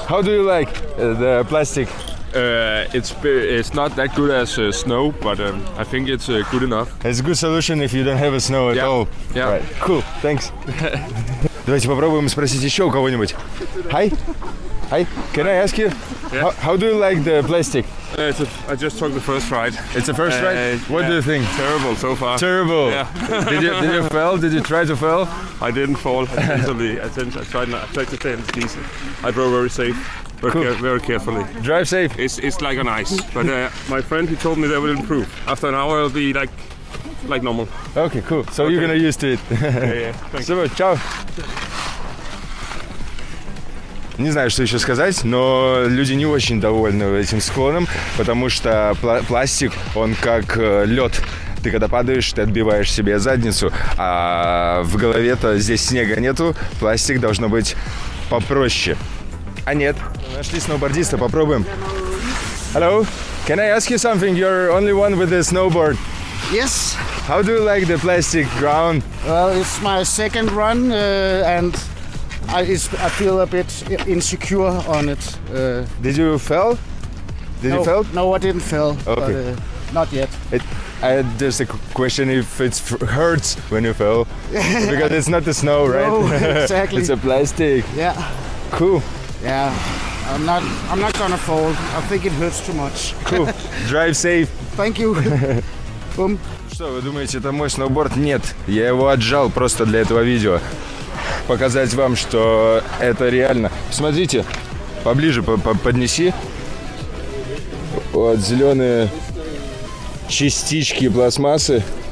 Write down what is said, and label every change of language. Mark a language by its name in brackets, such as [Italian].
[English] How do you like the plastic? It's not that good as snow, but I think it's good enough. It's a good solution if you don't have a snow at all. Yeah. Right. Cool. Thanks. [Russian] Давайте попробуем спросить еще у кого-нибудь. [English] Hi. Hi. Can I ask you? Yeah. How do you like the plastic? I just took the first ride. It's the first ride. What do you think? Terrible so far. Terrible. Yeah. did you fail? Did you try to fail? I didn't fall. I tried to stay in the decent. I drove very safe. Very carefully. Drive safe. It's like an ice. But my friend, he told me that will improve. After an hour, it'll be like normal. Okay, cool. So you're gonna used to it. Yeah, yeah. Thanks. So, ciao. [Russian] Не знаю, что еще сказать, но люди не очень довольны этим склоном, потому что пластик, он как лед. Ты когда падаешь, ты отбиваешь себе задницу, а в голове-то здесь снега нету, пластик должно быть попроще. А нет. Нашли сноубордиста, попробуем. [English] Hello, can I ask you something? You're only one with a snowboard. Yes. How do you like the plastic ground? Well, it's my second run and I feel a bit insecure on it. Did you fail? You fail? No, I didn't fail. Okay. But, not yet. There's a question if it hurts when you fail. Because it's not the snow, right? No, exactly. It's a plastic. Yeah. Cool. Yeah, I'm not gonna fall. I think it hurts too much. Cool. Drive safe. Thank you. Boom. [Russian] Что, вы думаете, это мой сноуборд? Нет, я его отжал просто для этого видео. Показать вам, что это реально. Смотрите, поближе поднеси. Вот зеленые частички пластмассы.